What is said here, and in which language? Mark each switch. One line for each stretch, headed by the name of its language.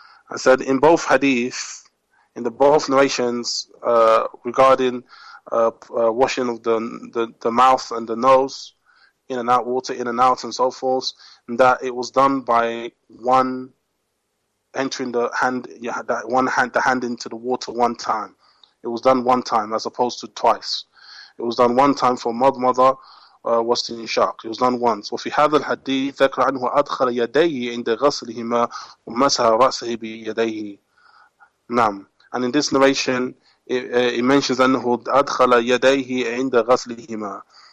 English: I said in both hadith, in the both narrations regarding washing of the mouth and the nose, in and out water, in and out and so forth, and that it was done by one entering the hand, that one hand, the hand into the water one time. It was done one time as opposed to twice. It was done one time for madmada was in shock. It was done once.
Arabic: وفي هذا الحديث ذكر عنه أدخل يديه عند غسلهما ومسح رأسه بيديه. نعم.
English: And in this narration, it mentions
Arabic: أنه أدخل يديه عند غسلهما.